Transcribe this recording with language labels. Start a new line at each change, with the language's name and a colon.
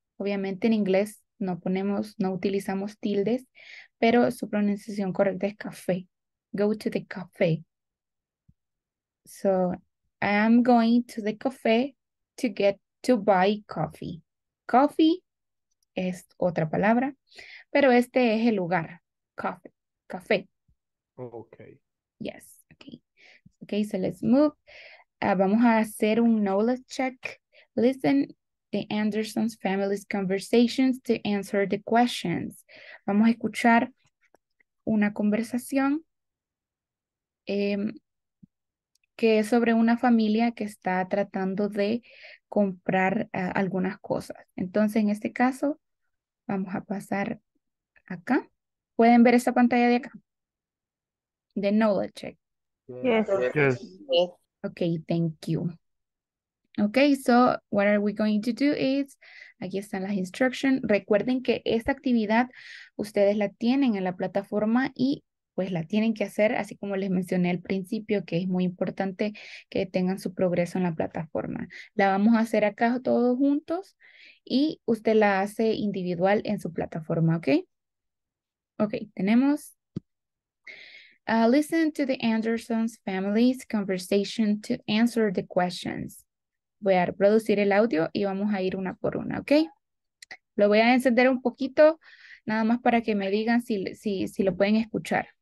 Spanish: Obviamente en inglés no utilizamos tildes, pero su pronunciación correcta es café.
English: Go to the cafe. So, I'm going to the cafe to buy coffee.
Spanish: Coffee es otra palabra, pero este es el lugar. Café.
English: Okay. Yes. Okay. Okay, so let's move.
Spanish: Vamos a hacer un
English: knowledge check. Listen the Anderson's family's conversations to answer the questions.
Spanish: Vamos a escuchar una conversación que es sobre una familia que está tratando de comprar algunas cosas. Entonces, en este caso, vamos a pasar acá. ¿Pueden ver esta pantalla de acá? The knowledge check.
English: Yes. Yes. Okay, thank you. Okay, so what are we going to do is,
Spanish: aquí están las instructions. Recuerden que esta actividad ustedes la tienen en la plataforma y pues la tienen que hacer, así como les mencioné al principio, que es muy importante que tengan su progreso en la plataforma. La vamos a hacer acá todos juntos y usted la hace individual en su plataforma, ¿ok? Ok, tenemos.
English: Listen to the Anderson's family's conversation to answer the questions.
Spanish: Voy a reproducir el audio y vamos a ir una por una, ¿ok? Lo voy a encender un poquito, nada más para que me digan si lo pueden escuchar.